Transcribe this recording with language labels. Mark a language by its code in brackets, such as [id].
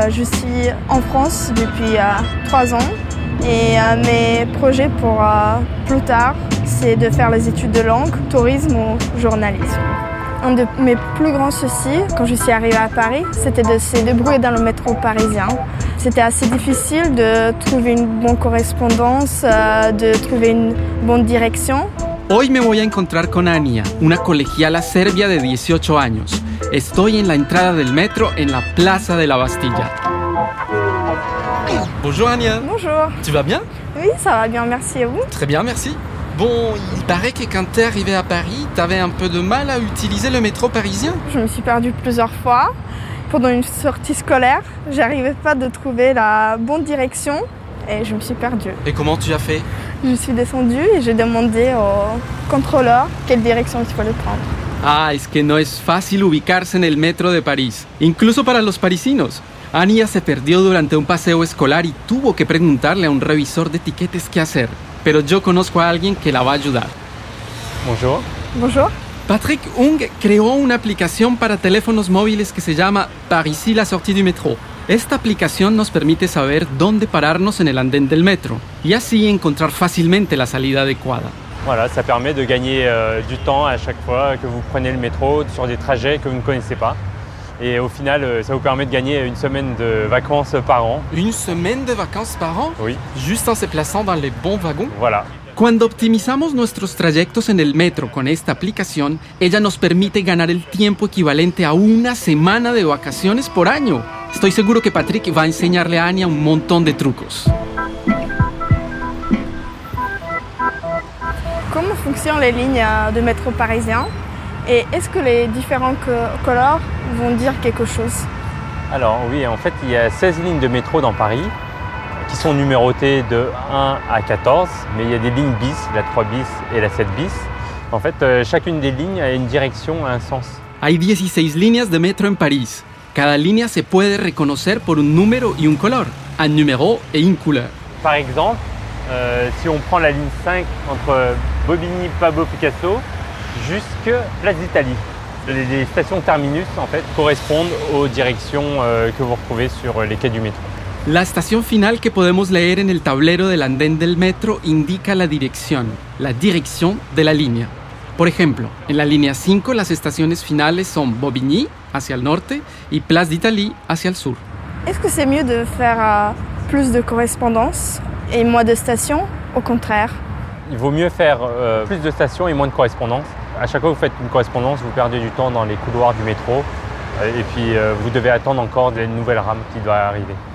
[fr] Je suis en France depuis 3 ans et mes projets pour plus tard, c'est de faire les études de langue, tourisme ou journalisme. Un de mes plus grands soucis, quand je suis arrivée à Paris, c'était de se débrouiller dans le métro parisien. C'était assez difficile de trouver une bonne correspondance, de trouver une bonne direction. [es] Hoy me voy a encontrar con Anya, una colegiala serbia de 18 años. Estoy en la entrada del metro en la Plaza de la Bastilla. [fr] Bonjour Anya. Bonjour. Tu vas bien? Oui, ça va bien, merci et vous? Très bien, merci. Bon, il paraît que quand t'es arrivée à Paris, t'avais un peu de mal à utiliser le métro parisien. Je me suis perdue plusieurs fois. Pendant une sortie scolaire, j'arrivais pas de trouver la bonne direction et je me suis perdue. Et comment tu as fait? Je suis descendue et j'ai demandé au contrôleur quelle direction il fallait prendre. [es] Ah, es que no es fácil ubicarse en el metro de París, incluso para los parisinos. Anya se perdió durante un paseo escolar y tuvo que preguntarle a un revisor de tiquetes qué hacer. Pero yo conozco a alguien que la va a ayudar. [fr] Bonjour. Bonjour. [es] Patrick Ung creó una aplicación para teléfonos móviles que se llama Parisi la sortie du métro. Esta aplicación nos permite saber dónde pararnos en el andén del metro y así encontrar fácilmente la salida adecuada. [fr] Voilà, ça permet de gagner du temps à chaque fois que vous prenez le métro sur des trajets que vous ne connaissez pas. Et au final, ça vous permet de gagner une semaine de vacances par an. Une semaine de vacances par an? Oui. Juste en se plaçant dans les bons wagons? Voilà. [es] Quand optimisamos nuestros trayectos en el metro con esta aplicación, ella nos permite ganar el tiempo equivalente a una semana de vacaciones por año. Estoy seguro que Patrick va a enseñarle a Anya un montón de trucos. ¿Cómo funcionan las líneas de metro parisien? [fr] Et est-ce que les différents couleurs vont dire quelque chose? Alors oui, en fait, il y a 16 lignes de métro dans Paris qui sont numérotées de 1 à 14, mais il y a des lignes bis, la 3 bis et la 7 bis. En fait, chacune des lignes a une direction, a un sens. [es] Hay 16 líneas de metro en París. Cada línea se puede reconocer por un número y un color, [fr] un numéro et une couleur. Par exemple, si on prend la ligne 5 entre Bobigny, Pablo Picasso, jusque Place d'Italie. Les stations terminus, en fait, correspondent aux directions que vous retrouvez sur les quais du métro. [es] La station finale que podemos leer en el tablero del andén del metro indica la dirección de la línea. Por ejemplo, en la línea 5, las estaciones finales son Bobigny, hacia el norte, y Place d'Italie, hacia el sur. [fr] ¿Es que c'est mieux de faire plus de correspondances et moins de stations, au contraire? Il vaut mieux faire plus de stations et moins de correspondances. À chaque fois que vous faites une correspondance, vous perdez du temps dans les couloirs du métro et puis vous devez attendre encore des nouvelles rames qui doivent arriver.